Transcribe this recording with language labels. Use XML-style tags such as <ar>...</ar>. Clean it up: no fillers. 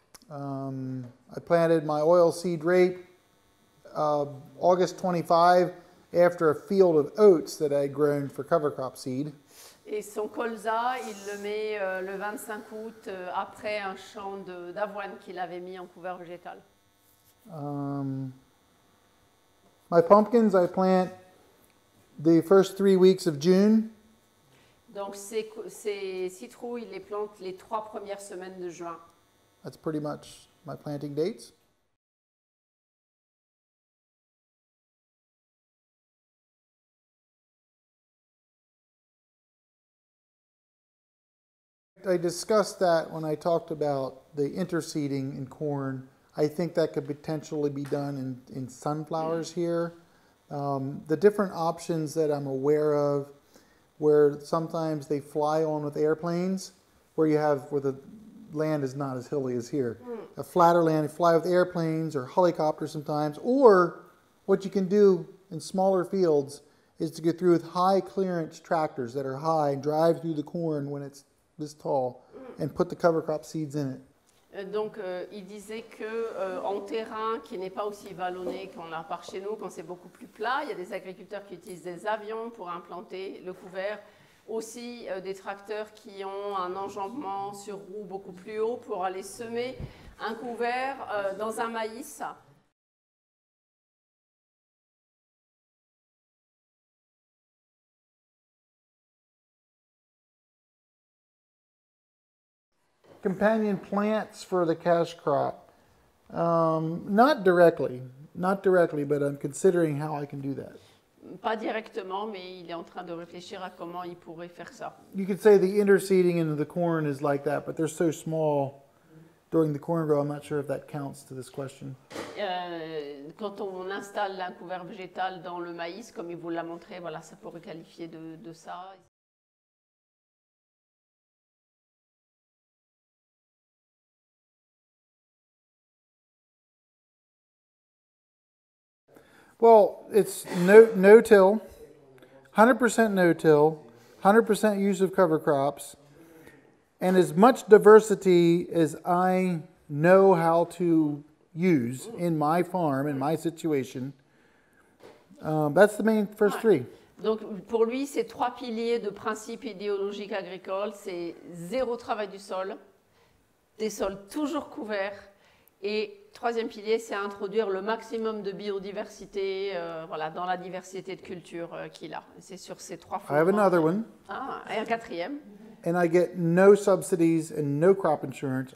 <en>I planted my oilseed rape August 25. After a field of oats that I had grown for cover crop seed.</en> <fr>Et son colza, il le met le 25 août après un champ d'avoine qu'il avait mis en couvert végétal.</fr> <en>My pumpkins, I plant the first 3 weeks of June.</en> <fr>Donc ses citrouilles, il les plante les 3 premières semaines de juin.</fr> <en>That's pretty much my planting dates. I discussed that when I talked about the interseeding in corn. I think that could potentially be done in sunflowers here. The different options that I'm aware of, where sometimes they fly on with airplanes, where the land is not as hilly as here. A flatter land, they fly with airplanes or helicopters sometimes, or what you can do in smaller fields is to get through with high clearance tractors that are high and drive through the corn when it's this tall, and put the cover crop seeds in it.</en> <fr>Donc, il disait que en terrain qui n'est pas aussi vallonné qu'on a par chez nous, quand c'est beaucoup plus plat, il y a des agriculteurs qui utilisent des avions pour implanter le couvert. Aussi, des tracteurs qui ont un enjambement sur roue beaucoup plus haut pour aller semer un couvert dans un maïs.</fr> <en>Companion plants for the cash crop. Not directly, but I'm considering how I can do that.</en> <fr>Pas directement, mais il est en train de réfléchir à comment il pourrait faire ça.</fr> <en>You could say the interseeding into the corn is like that, but they're so small during the corn grow, I'm not sure if that counts to this question.</en> <fr>Quand on installe un couvert végétal dans le maïs, comme il vous l'a montré, voilà, ça pourrait qualifier de ça.</fr> <en>Well, it's no-till, 100% no-till, 100% use of cover crops, and as much diversity as I know how to use in my farm, in my situation, that's the main first three.</en> <fr>Donc, pour lui, ces trois piliers de principes idéologiques agricoles, c'est zéro travail du sol, des sols toujours couverts, et troisième pilier, c'est introduire le maximum de biodiversité voilà, dans la diversité de cultures qu'il a. C'est sur ces trois fronts.</fr> <en>I have another one.</en> <fr>Ah, et un quatrième.</fr> <en>And I get no subsidies and no crop insurance.</en>